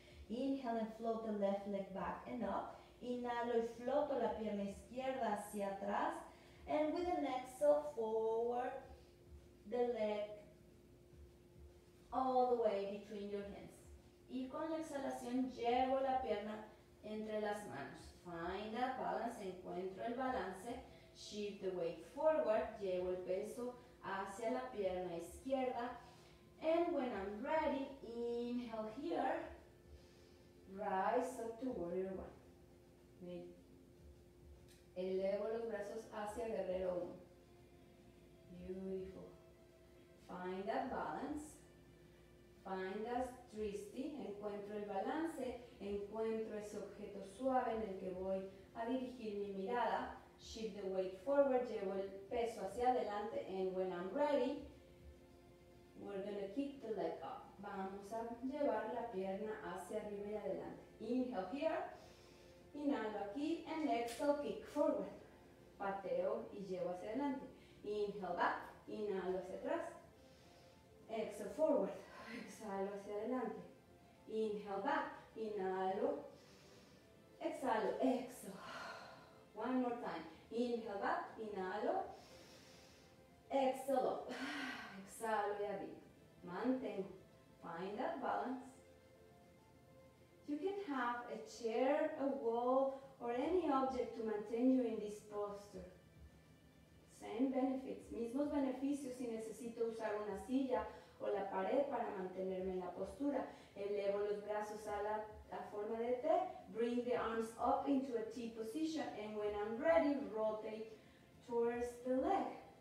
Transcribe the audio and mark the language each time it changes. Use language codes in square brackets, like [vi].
[en] Inhale and float the left leg back and up. [es] Inhalo y floto la pierna izquierda hacia atrás. [en] And with an exhale, forward the leg all the way between your hands. [es] Y con la exhalación llevo la pierna entre las manos. [en] Find that balance, [es] encuentro el balance. [en] Shift the weight forward, [es] llevo el peso hacia la pierna izquierda. [en] And when I'm ready, inhale here. Rise up to warrior one. [es] Elevo los brazos hacia guerrero 1. Beautiful. [en] Find that balance. Find that tristy. [es] Encuentro el balance. Encuentro ese objeto suave en el que voy a dirigir mi mirada. [en] Shift the weight forward. [es] Llevo el peso hacia adelante. [en] And when I'm ready, we're going to kick the leg up. [es] Vamos a llevar la pierna hacia arriba y adelante. [en] Inhale here. [es] Inhalo aquí, [en] and exhale, kick forward. [es] Pateo y llevo hacia adelante. [en] Inhale back, [es] inhalo hacia atrás. [en] Exhale forward, [es] exhalo hacia adelante. [en] Inhale back, inhalo. Exhalo, exhale. One more time. Inhale back, inhalo. Exhale up. [es] Exhalo y arriba. Mantengo. [en] Find that balance. You can have a chair, a wall, or any object to maintain you in this posture. Same benefits. [es] Mismos beneficios si necesito usar una silla o la pared para mantenerme en la postura. Elevo los brazos a la forma de T. [en] Bring the arms up into a T position. And when I'm ready, rotate towards the leg.